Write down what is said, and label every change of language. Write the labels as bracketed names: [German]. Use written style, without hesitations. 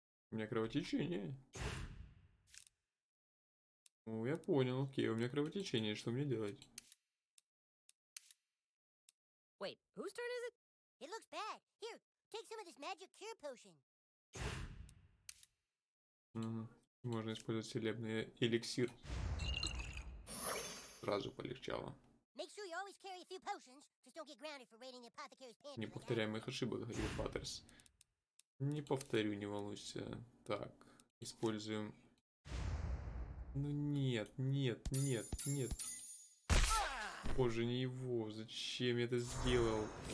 [Russian] У меня кровотечение. Ну, я понял, окей, у меня кровотечение, что мне делать? [English] Wait, whose turn is it? It looks bad. Here, take some of this magic cure potion. [Russian] Можно использовать целебный эликсир. Сразу полегчало. [English] Make sure you always carry a few potions. Just don't get grounded for raiding the apothecary's pantry. [Russian] Не повторяй моих ошибок, говорил Паттерс. Не повторю, не волнуйся. Так, используем. Ну нет, нет, нет, нет. Боже, не его. Зачем я это сделал?